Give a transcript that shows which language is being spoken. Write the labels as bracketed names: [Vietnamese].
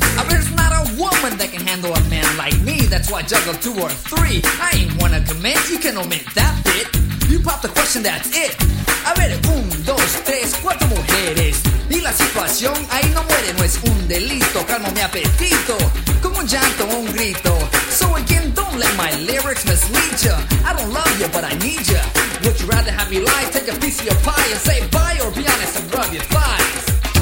[English] There's not a woman that can handle a man like me. That's why I juggle two or three. I ain't wanna commit, you can omit that bit. You pop the question, that's it. [Spanish] A ver, un, dos, tres, cuatro mujeres. Y la situación ahí no muere, no es un delito. Calmo mi apetito, como un llanto o un grito. [English] So again, don't let my lyrics mislead ya. I don't love you, but I need ya. Would you rather have me lie, take a piece of your pie and say bye, or be honest and rub your thighs?